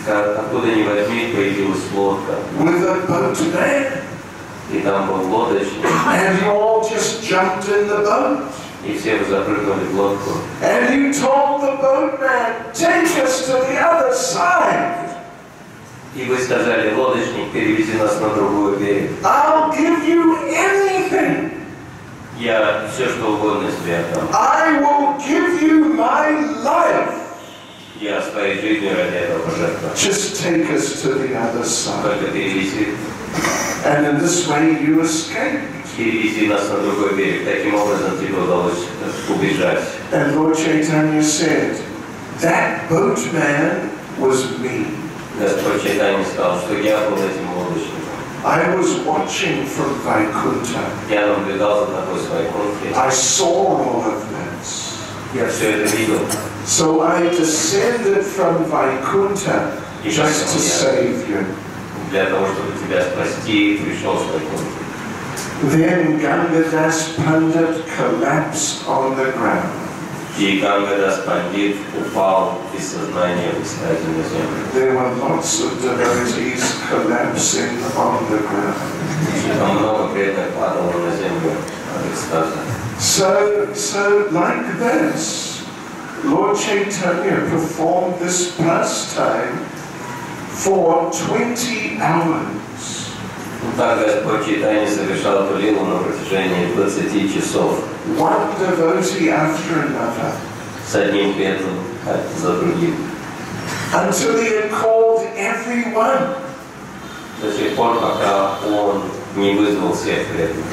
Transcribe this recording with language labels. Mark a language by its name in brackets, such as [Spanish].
[Russian] Откуда ни возьми, появилась лодка. [English] With a boatman. [Russian] И там был лодочник. [English] And you all just jumped in the boat. [Russian] И все вы запрыгнули в лодку. [English] And you told the boatman, take us to the other side. [Russian] И вы сказали, лодочник, перевези нас на другой берег. [English] I'll give you anything. [Russian] Я все, что угодно себе отдам. [English] I will give you my life. [Russian] Я своей жизнью ради этого пожертвовал. [English] Just take us to the other side. [Russian] Только перевези. [English] And in this way you escaped. [Russian] Перевези нас на другой берег. Таким образом тебе удалось убежать. [English] And Lord Chaitanya said, that boatman was me. [Russian] Господь Чайтанья сказал, что я был этим лодочником. [English] I was watching from Vaikuntha. [Russian] Я наблюдал за тобой с Вайкунтхи. [English] I saw all of this. [Russian] Я все это видел. [English] So I descended from Vaikuntha just to save you. [Russian] Для того, чтобы тебя спасти, пришел с Вайкунтхи. [English] Then Ganga Das Pandit collapsed on the ground. [Russian] И Ганга Дас Пандит упал из сознания в экстазе на землю. [English] There were lots of devotees collapsing on the ground. [Russian] Много преданных падало на землю от экстаза. [English] So like this, Lord Chaitanya performed this pastime for 20 hours. [Russian] Так Господь Чайтанья совершал эту лилу на протяжении 20 часов. [English] One devotee after another. [Russian] С одним преданным за другим. [English] Until he had called everyone. [Russian] До сих пор, пока он не вызвал всех преданных.